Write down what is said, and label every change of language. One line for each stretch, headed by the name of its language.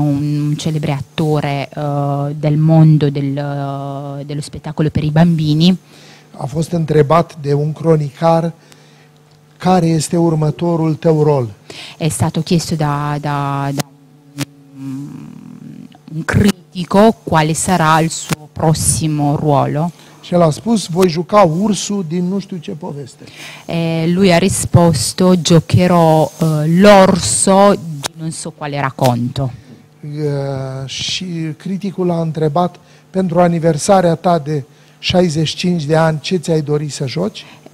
Italian: Un celebre attore del mondo dello spettacolo per i bambini.
Romanian: A fost întrebat de un cronicar care este următorul tău rol.
Italian: È stato chiesto da un critico quale sarà il suo prossimo ruolo.
Romanian: Și l-a spus, voi juca ursul din nu știu ce poveste.
Italian: E lui ha risposto, giocherò l'orso di non so quale racconto.
Romanian: Și criticul l-a întrebat, pentru aniversarea ta de 65 de ani, ce ți-ai dori să joci?